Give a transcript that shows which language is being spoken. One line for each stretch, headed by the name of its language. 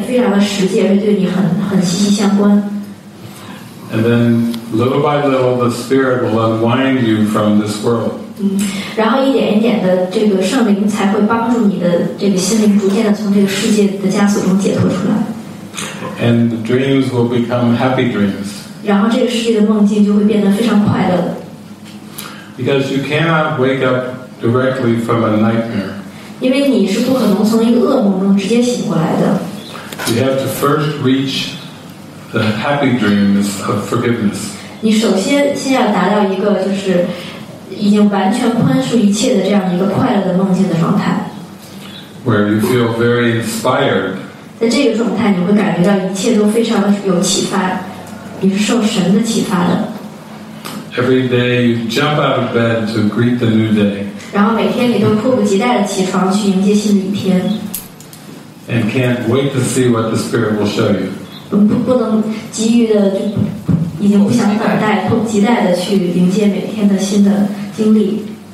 Chinese: 只有这样的话，就是说我们所讲的内容，才能变得非常的实际，而且对你很息息相关。
English: And then, little by little, the spirit will unwind you from this world.
Chinese: 然后一点一点的，这个圣灵才会帮助你的这个心灵逐渐的从这个世界的枷锁中解脱出来。
English: And the dreams will become happy dreams.
Chinese: 然后这个世界的梦境就会变得非常快乐。
English: Because you cannot wake up directly from a nightmare.
Chinese: 因为你是不可能从一个噩梦中直接醒过来的。
English: You have to first reach the happy dreams of forgiveness.
Chinese: 你首先要达到一个就是已经完全宽恕一切的这样一个快乐的梦境的状态。
English: Where you feel very inspired.
Chinese: 在这个状态你会感觉到一切都非常有启发，你是受神的启发的。
English: Every day you jump out of bed to greet the new day.
Chinese: 然后每天你都迫不及待地起床去迎接新的一天。
English: And can't wait to see what the Spirit will show you.
Chinese: 不能急于的就已经不想等待，迫不及待地去迎接每天的新的经历。